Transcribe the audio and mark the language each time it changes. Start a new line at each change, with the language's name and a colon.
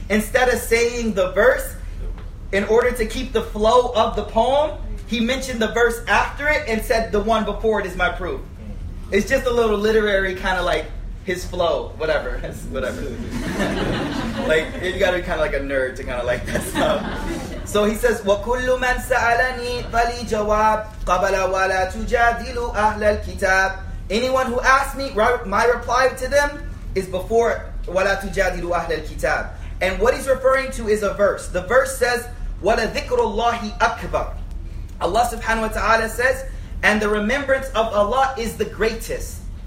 English: Instead of saying the verse, in order to keep the flow of the poem, he mentioned the verse after it and said, "The one before it is my proof." It's just a little literary kind of like his flow, whatever. Whatever. Like, you gotta be kind of like a nerd to kind of like that stuff. So he says,
Arabic: وَكُلُّ مَنْ سَأَلَنِي فَلِي جَوَابْ قَبَلَ وَلَا تُجَادِلُوا أَهْلَ الْكِتَابِ.
English: Anyone who asks me, my reply to them is before
Arabic: وَلَا تُجَادِلُوا أَهْلَ الْكِتَابِ.
English: And what he's referring to is a verse. The verse says,
Arabic: وَلَذِكْرُ اللَّهِ أَكْبَرُ.
English: Allah subhanahu wa ta'ala says, and the remembrance of Allah is the greatest.